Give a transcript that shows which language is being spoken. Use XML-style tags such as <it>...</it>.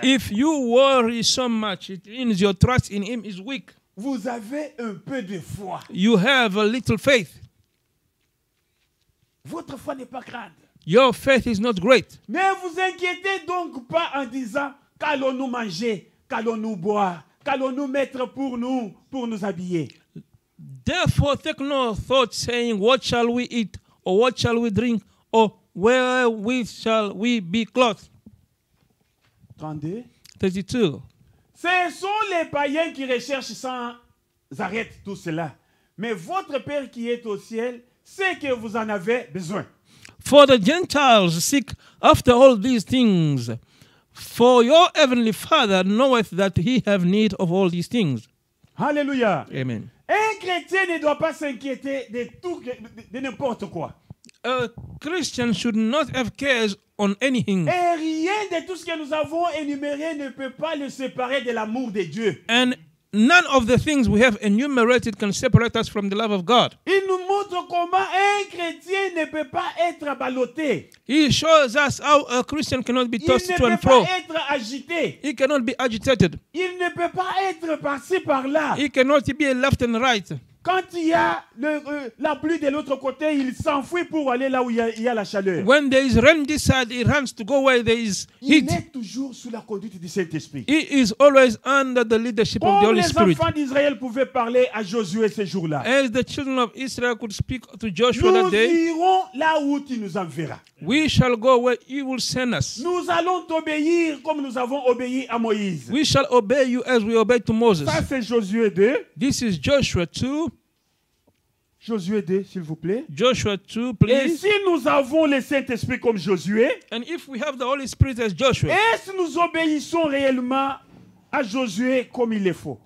<en>If you worry so much, it means your trust in him is weak.</en> <fr>Vous avez un peu de foi.</fr> <en>You have a little faith.</en> <fr>Votre foi n'est pas grande.</fr> <en>Your faith is not great.</en> <fr>Ne vous inquiétez donc pas en disant qu'allons-nous manger, qu'allons-nous boire, qu'allons-nous mettre pour nous habiller.</fr> <en>Therefore, take no thought saying, what shall we eat, or what shall we drink, or where shall we be clothed?</en> <fr>32. Ce sont les païens qui recherchent sans arrêt tout cela. Mais votre Père qui est au ciel sait que vous en avez besoin.</fr> <en>For the Gentiles seek after all these things. For your heavenly Father knoweth that he have need of all these things. Alléluia. Amen.</en> <fr>Un chrétien ne doit pas s'inquiéter de tout, de n'importe quoi.</fr> <en>A Christian should not have cares on anything.</en> <fr>Et rien de tout ce que nous avons énuméré ne peut pas le séparer de l'amour de Dieu.</fr> <en>And none of the things we have enumerated can separate us from the love of God.</en> <fr>Il nous montre comment un chrétien ne peut pas être ballotté.</fr> <en>He shows us how a Christian cannot be tossed to and fro.</en> <fr>Il ne peut pas être agité.</fr> <en>He cannot be agitated.</en> <fr>Il ne peut pas être par-ci par-là.</fr> <en>He cannot be left and right.</en> <fr>Quand il y a la pluie de l'autre côté, il s'enfuit pour aller là où il y a la chaleur.</fr> <en>When there is rain this side, he runs to go where there is heat.</en> <fr>Il est toujours sous la conduite du Saint-Esprit.</fr> <en>He is always under the leadership</en> <fr>Comme</fr> <en>of the Holy Spirit.</en> <fr>Les enfants d'Israël pouvaient parler à Josué ce jour-là.</fr> <en>As the children of Israel could speak to Joshua that day.</en> <fr>Nous irons là où tu nous enverras.</fr> <en>We shall go where he will send us.</en> <fr>Nous allons t'obéir comme nous avons obéi à Moïse.</fr> <en>We shall obey you as we obeyed to Moses.</en> <fr>Ça c'est Josué 2.</fr> <en>This is Joshua 2.</en> <fr>Josué 2, s'il vous plaît.</fr> <en>Joshua 2, please.</en> <fr>Et si nous avons le Saint-Esprit comme Josué,</fr> <en>and if we have the Holy Spirit as Joshua,</en> <fr>est-ce nous obéissons réellement à Josué comme il le faut?</fr>